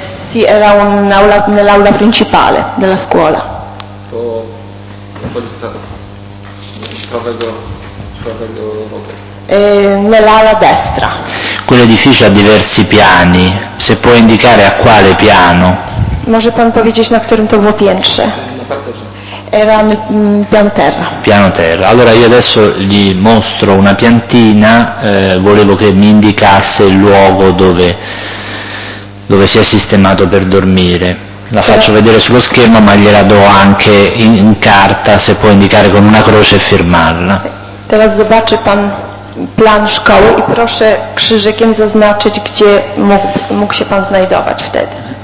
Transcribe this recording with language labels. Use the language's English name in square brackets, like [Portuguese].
[Italian] Sì, era un'aula, nell'aula principale della scuola. [Polish] To w okolicach prawego, prawego rogu. [Italian] Nell'ala destra. Quell'edificio ha diversi piani, se può indicare a quale piano? [Polish] Może pan powiedzieć, na którym to było piętrze? [Italian] Era nel piano terra. Piano terra. Allora io adesso gli mostro una piantina, volevo che mi indicasse il luogo dove, dove si è sistemato per dormire. La faccio vedere sullo schermo, ma gliela do anche in, in carta, se può indicare con una croce e firmarla. [Polish] Teraz zobaczy pan plan szkoły i proszę krzyżykiem zaznaczyć, gdzie mógł, mógł się pan znajdować wtedy.